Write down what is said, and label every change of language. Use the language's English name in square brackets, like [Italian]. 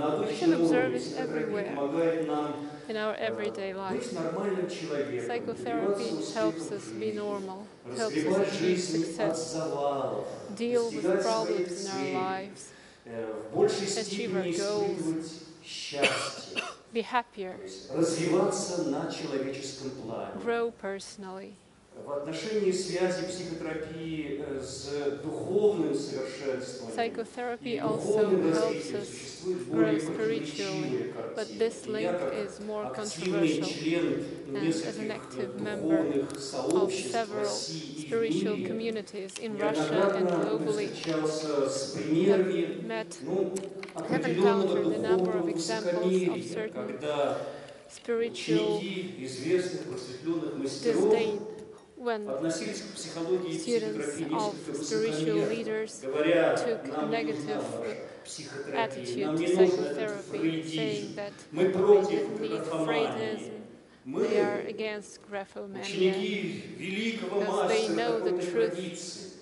[English] We can observe it everywhere in our everyday life. Psychotherapy helps us be normal, helps us achieve success, deal with the problems in our lives, achieve our goals. Be happier. [Russian] Развиваться на человеческом плане. [English] Grow personally. [Russian] В отношении связи психотерапии с духовным совершенствованием. [English] Psychotherapy also helps us grow spiritually, but this link is more controversial. And as an active member of several spiritual communities in Russia and globally, have encountered a number of examples of certain spiritual disdain when students of spiritual leaders took negative attitude to psychotherapy, saying that they didn't need Freudism, they are against graphomania, because they know the truth.